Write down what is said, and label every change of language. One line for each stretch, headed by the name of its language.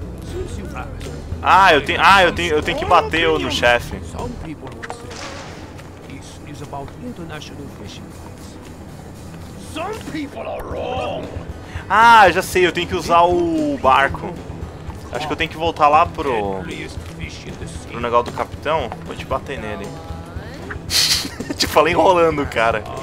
English: Since you ask,
Portuguese: eu tenho que bater no chefe.
English: Some people would say this is about international fishing rights. Some people are wrong.
Portuguese: Ah, já sei, eu tenho que usar o barco. Acho que eu tenho que voltar lá pro negócio do capitão. Vou te bater nele. Te falei enrolando, cara.